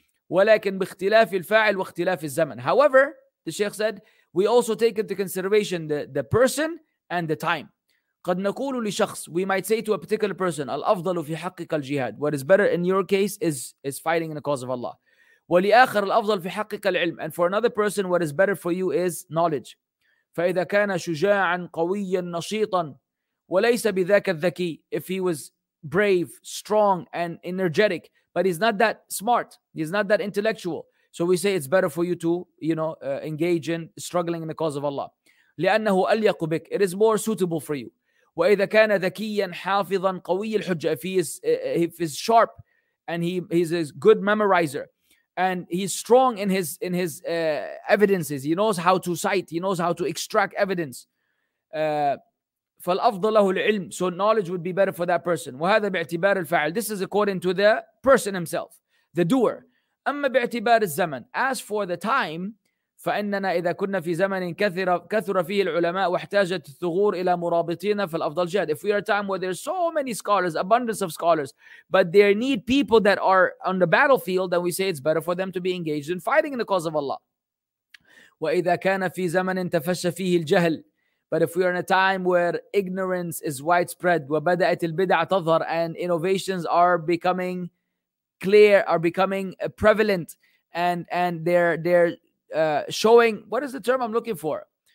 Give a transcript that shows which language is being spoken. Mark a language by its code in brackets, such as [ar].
[ar] وَلَكِنْ بِاخْتِلَافِ الْفَاعِلِ وَاخْتِلَافِ الزَّمَنِ. [en] However, the Shaykh said, we also take into consideration the person and the time. [ar] قَدْ نَقُولُ لِشَخْصِ. [en] We might say to a particular person, [ar] الْأَفْضَلُ فِي حَقِّكَ الْجِهَادِ. [en] What is better in your case is fighting in the cause of Allah. [ar] ولآخر الأفضل في حقك العلم. [en] And for another person, what is better for you is knowledge. [ar] فإذا كان شجاعا قويا نشيطا وليس بذاك الذكي. [en] If he was brave, strong and energetic, but he's not that smart, he's not that intellectual, so we say it's better for you to, you know, engage in struggling in the cause of Allah. [ar] لأنه أليق بك. [en] It is more suitable for you. [ar] وإذا كان ذكيا حافظا قوي الحجة. [en] If he is sharp and he's a good memorizer and he's strong in his evidences, he knows how to cite, he knows how to extract evidence. [ar] فالأفضل له العلم. [en] So knowledge would be better for that person. [ar] وهذا باعتبار الفاعل. [en] This is according to the person himself, the doer. [ar] أما باعتبار الزمن. [en] As for the time, [ar] فإننا إذا كنا في زمن كثر فيه العلماء واحتاجت الثغور إلى مرابطين فالأفضل جهد. [en] If we are a time where there's so many scholars, abundance of scholars, but they need people that are on the battlefield, then we say it's better for them to be engaged in fighting in the cause of Allah. [ar] وإذا كان في زمن تفشى فيه الجهل. [en] But if we are in a time where ignorance is widespread [ar] وبدأت البدع تظهر, [en] and innovations are becoming clear, are becoming prevalent, and they're showing, what is the term I'm looking for?